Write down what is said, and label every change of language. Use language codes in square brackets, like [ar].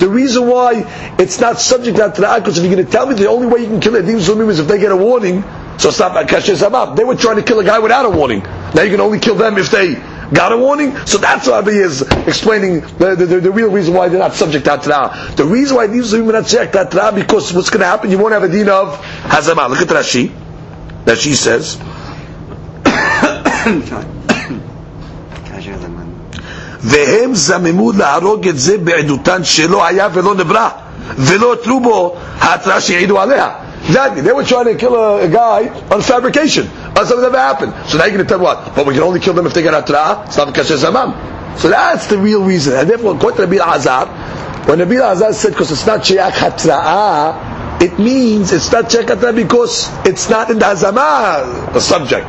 [en] The reason why it's not subject to Hatra'ah, because if you're going to tell me the only way you can kill Edim Zomim is if they get a warning, so stop at Kashir Zabab. They were trying to kill a guy without a warning. Now you can only kill them if they got a warning. So that's why Abi is explaining the real reason why they're not subject to Hatra'ah. The reason why Edim Zomim are not subject to Hatra'ah, because what's going to happen, you won't have a deen of Hazamah. Look at Rashi. [he] Rashi says, והם זממו להרוג את זה בעדותן שלא היה ולא נברא ולא תלו בו ההתראה שיעידו עליה. [en] They were trying to kill a guy on fabrication. Something never happened. So now you're going to tell what? But we can only kill them if they get ההתראה. It's not because of Zamam. So that's the real reason. And therefore, according to Rabbi Elazar, when Rabbi Elazar said, because it's not שיעק ההתראה, it means it's not שיעק ההתראה because it's not in the Hazamah, the subject.